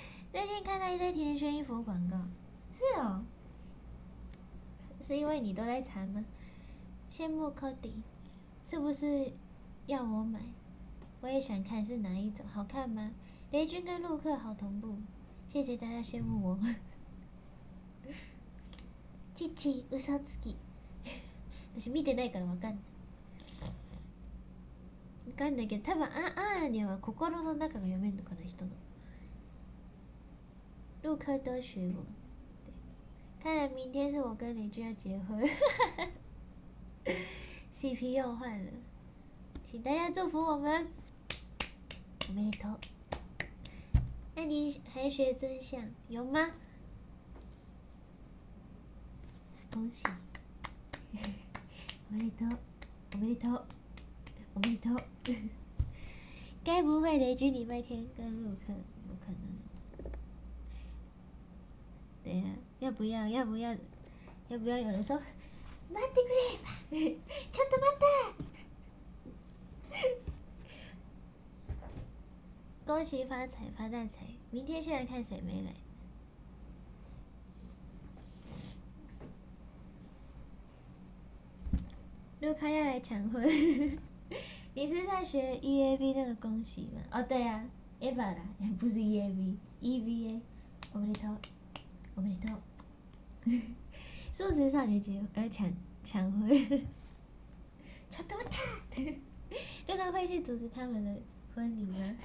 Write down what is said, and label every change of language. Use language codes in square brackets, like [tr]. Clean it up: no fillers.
[zh] 最近看到一堆甜甜圈衣服广告，是哦，是因为你都在查吗？羡慕 Cody，是不是要我买？我也想看是哪一种，好看吗？雷军跟陆克好同步，谢谢大家羡慕我。 [ja] チチ、ウソつき。私見てないからわかんない。わかんないけど、多分アーニャは心の中が読めんのかな、人の。 [zh] 陆克都学我。看来明天是我跟雷军要结婚。 CP 又换了，请大家祝福我们。 [ja] おめでとう。 [zh] 那你还学真相，有吗？恭喜！ [ja] おめでとう！ [zh] 该不会雷军礼拜天跟陆克？有可能。等一下，要不要有人说 [ja] “待ってくれ [zh] 吧”？ [ja] ちょっと待った！ [zh] 恭喜发财发大财！明天先来看谁没来。陆克要来抢婚 你是在学 EAB 那个恭喜吗？哦，对呀，Eva 啦，不是 EAB，EVA， [ja] おめでとう，おめでとう。 [zh] 数十少女结婚，抢婚， [ja] ちょっと待った！ [zh] 陆克会去组织他们的婚礼吗？